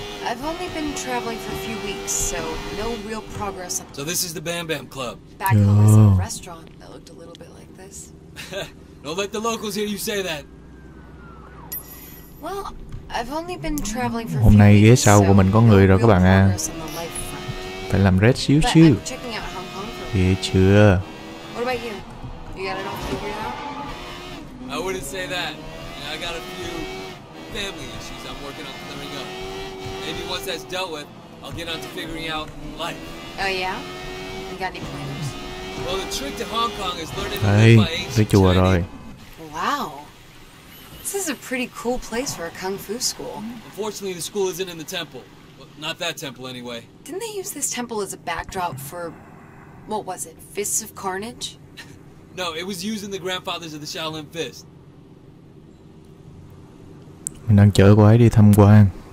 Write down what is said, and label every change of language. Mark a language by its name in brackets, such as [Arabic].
[English] I've only been traveling for a few weeks, so no real progress. So this is the Bam Bam Club. Back home is a restaurant that looked a little bit like this. Don't let the locals hear you say that. Well, I've only been traveling for. [Vietnamese] Hôm nay ghế sau của mình có người rồi các bạn à. Phải làm red xíu chứ. Thì chưa. [English] What about you? You got it all figured out? I wouldn't say that. I got a few. Family issues I'm working on clearing up. Maybe once that's dealt with, I'll get on to figuring out life. Oh yeah? You got any plans? Well, the trick to Hong Kong is learning to live by ancient. Wow. This is a pretty cool place for a kung fu school. Unfortunately, the school isn't in the temple. Well, not that temple, anyway. Didn't they use this temple as a backdrop for, what was it, Fists of Carnage? No, it was used in the Grandfathers of the Shaolin Fist. [Vietnamese] Mình đang chở cô ấy đi tham quan.